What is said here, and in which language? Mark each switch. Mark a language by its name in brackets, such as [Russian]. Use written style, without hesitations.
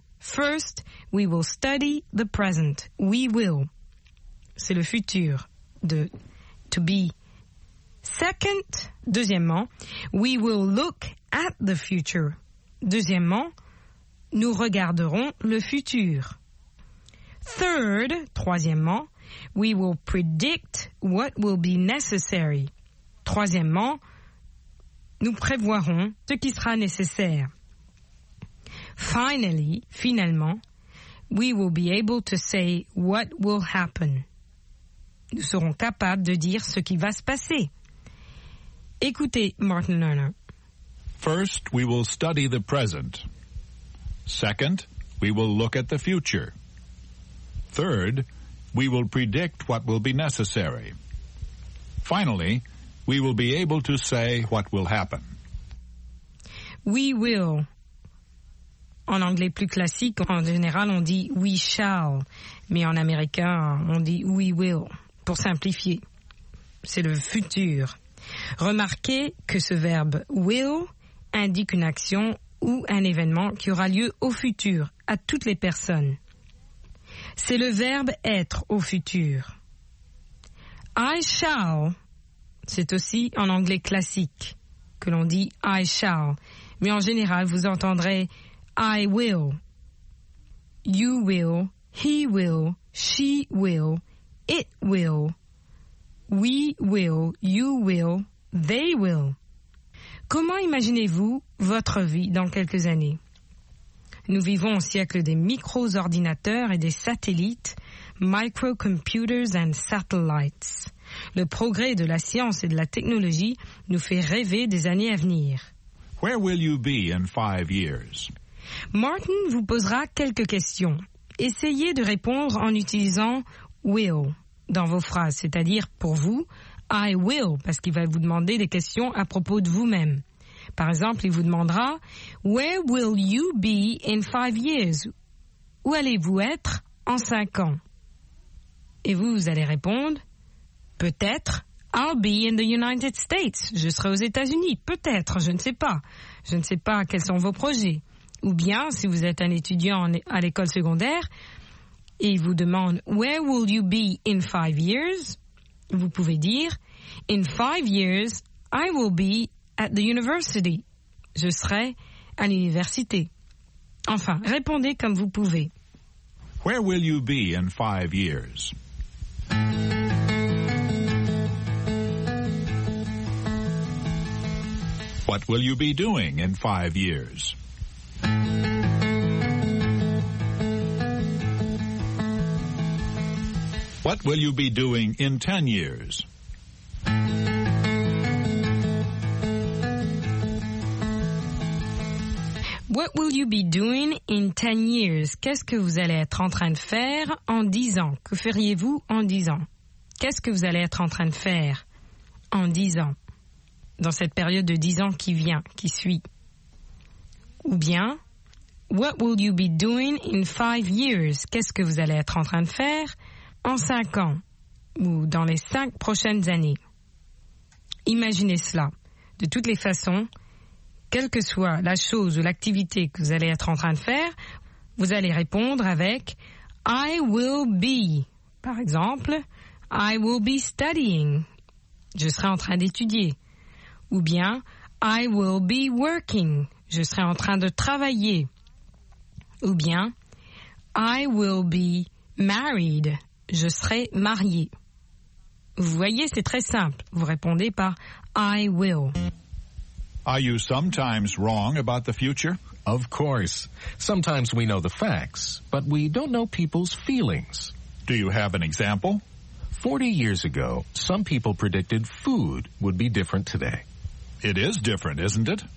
[English] « First, we will study the present. We will. » [French] C'est le futur de [English] « to be. » « Second, deuxièmement, we will look at the future. » [French] Deuxièmement, nous regarderons le futur. [English] Third, troisièmement, we will predict what will be necessary. [French] Troisièmement, nous prévoirons ce qui sera nécessaire. [English] Finally, finalement, we will be able to say what will happen. [French] Nous serons capables de dire ce qui va se passer. Écoutez Martin Lerner. [English] First, we will study the present. Second, we will look at the future. Third, we will predict what will be necessary. Finally, we will be able to say what will happen. We will. [French] En anglais plus classique, en général, on dit [English] we shall. [French] Mais en américain, on dit [English] we will. [French] Pour simplifier, c'est le futur. Remarquez que ce verbe will indique une action ou un événement qui aura lieu au futur, à toutes les personnes. C'est le verbe être au futur. I shall, c'est aussi en anglais classique que l'on dit I shall, mais en général vous entendrez [English] I will, you will, he will, she will, it will, we will, you will, they will. [French] Comment imaginez-vous votre vie dans quelques années? Nous vivons au siècle des micro-ordinateurs et des satellites, [English] microcomputers and satellites. [French] Le progrès de la science et de la technologie nous fait rêver des années à venir. [English] Where will you be in 5 years? [French] Martin vous posera quelques questions. Essayez de répondre en utilisant will dans vos phrases, c'est-à-dire pour vous, [English] I will, [French] parce qu'il va vous demander des questions à propos de vous-même. Par exemple, il vous demandera « [English] Where will you be in 5 years [French] ?»« Où allez-vous être en 5 ans ?» Et vous, vous allez répondre « Peut-être, [English] I'll be in the United States. [French] » Je serai aux États-Unis. Peut-être, je ne sais pas. Je ne sais pas quels sont vos projets. Ou bien, si vous êtes un étudiant à l'école secondaire, et il vous demande « [English] Where will you be in 5 years ?» [French] Vous pouvez dire [English] « In 5 years, I will be at the university. » [French] Je serai à l'université. Enfin, répondez comme vous pouvez. [English] Where will you be in 5 years? What will you be doing in 5 years? What will you be doing in 10 years? What will you be doing in 10 years? [French] Qu'est-ce que vous allez être en train de faire en 10 ans? Que feriez-vous en 10 ans? Qu'est-ce que vous allez être en train de faire en 10 ans? Dans cette période de 10 ans qui vient, qui suit. Ou bien, [English] what will you be doing in 5 years? [French] Qu'est-ce que vous allez être en train de faire en 5 ans? Ou dans les 5 prochaines années? Imaginez cela. De toutes les façons, quelle que soit la chose ou l'activité que vous allez être en train de faire, vous allez répondre avec « [English] I will be ». [French] Par exemple, [English] « I will be studying ». [French] Je serai en train d'étudier. Ou bien « [English] I will be working ». [French] Je serai en train de travailler. Ou bien « [English] I will be married ». [French] Je serai marié. Vous voyez, c'est très simple. Vous répondez par « [English] I will ». Are you sometimes wrong about the future? Of course. Sometimes we know the facts, but we don't know people's feelings. Do you have an example? 40 years ago, some people predicted food would be different today. It is different, isn't it?